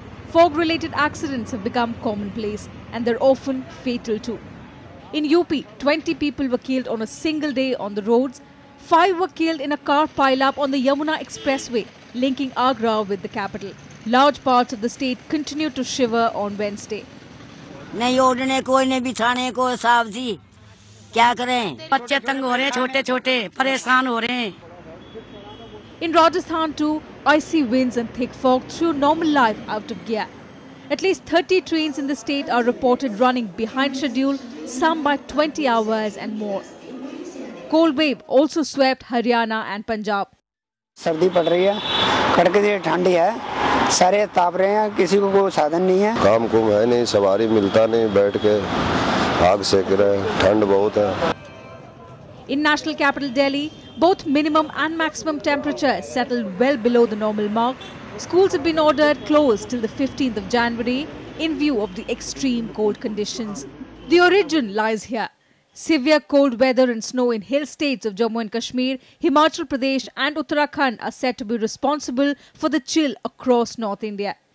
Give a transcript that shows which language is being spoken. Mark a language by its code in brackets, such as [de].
[en] Fog-related accidents have become commonplace and they're often fatal too. In UP, 20 people were killed on a single day on the roads. 5 were killed in a car pileup on the Yamuna Expressway, linking Agra with the capital. Large parts of the state continued to shiver on Wednesday. [hi] नहीं उड़ने को, नहीं बिछाने को, साहब जी क्या करें, बच्चे तंग हो रहे हैं, छोटे छोटे परेशान हो रहे हैं. [en] In Rajasthan too, icy winds and thick fog threw normal life out of gear. At least 30 trains in the state are reported running behind schedule, some by 20 hours and more. Cold wave also swept Haryana and Punjab. [hi] सर्दी पड़ रही है, कड़के से ठंडी है, सारे ताप रहे हैं, किसी को साधन नहीं है. काम को है नहीं, सवारी मिलता नहीं, बैठ के आग सेक रहे, ठंड बहुत है. [en] In national capital Delhi, both minimum and maximum temperature settled well below the normal mark. Schools have been ordered closed till the 15th of January in view of the extreme cold conditions. The origin lies here. Severe cold weather and snow in hill states of Jammu and Kashmir, Himachal Pradesh and Uttarakhand are said to be responsible for the chill across North India.